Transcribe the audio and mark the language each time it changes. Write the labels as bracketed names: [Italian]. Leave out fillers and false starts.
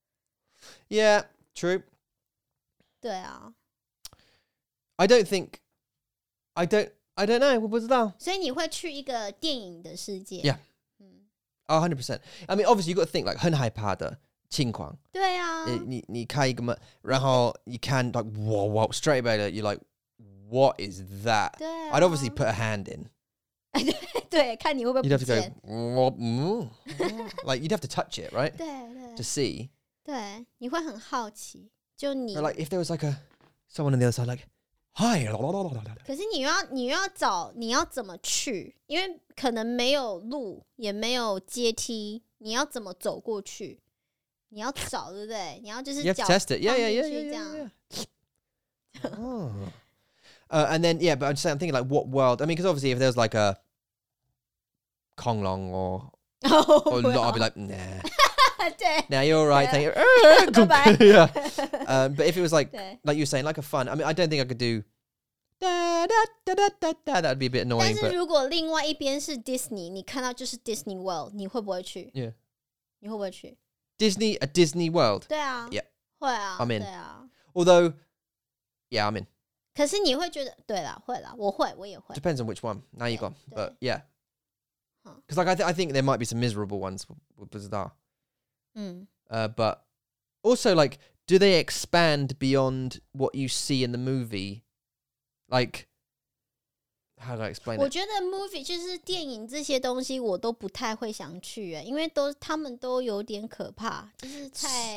[Chinese] 希望咯。如果是一个在一个开心的世界，应该会吧。嗯。就是你开心的机会很大。 [English] Yeah, true. [Chinese] 对啊。I [English] don't think. I don't know, [Chinese] 我不知道. 所以你会去一个电影的世界? [English] Yeah. 100%. I mean, obviously, you've got to think, like, [Chinese] 很害怕的情况. 对啊. 你开一个门, 然后 [English] you can, like, whoa, straight away, you're like, what is that? [Chinese] 对啊. [English] I'd obviously put a hand in. [Chinese] 对, 看你会不会不见. [English] You'd have to go, whoop, like, you'd have to touch it, right? [Chinese] 对, [English] 对. To see. [Chinese] 对, 你会很好奇, 就你. [English] But, like, if there was, like, a someone on the other side, like, Hi, [Chinese] 可是你要找你要怎么去 因为可能没有路 也没有阶梯 你要怎么走过去 你要找对不对 你要就是脚 [English] You have to test it. Yeah. And then yeah, but I'm just saying, I'm thinking like what world. I mean, because obviously if there's like a Kong Long or not, I'd be like nah. [Chinese] 对, [English] now you're alright, thank you. Bye bye. Yeah. But if it was like, 对, like you were saying, like a fun, I mean, I don't think I could do da da da da da da, that'd be a bit annoying. [Chinese] 但是如果另外一边是 Disney, 你看到就是 Disney World, 你会不会去? [English] Yeah. [Chinese] 你会不会去? [English] Disney, a Disney World? [Chinese] 对啊. [English] Yeah. [Chinese] 会啊, [English] I'm in. [Chinese] 对啊. [English] Although, yeah, I'm in. [Chinese] 可是你会觉得, 对啦, 会啦, 我会, 我也会. [English] Depends on which one. Now you're gone. But yeah. Because like, I think there might be some miserable ones, [Chinese] 我不知道. [English] But also, like, do they expand beyond what you see in the movie? Like, How do I explain it? [Chinese] 我觉得 movie 就是电影这些东西我都不太会想去耶，因为都他们都有点可怕，就是太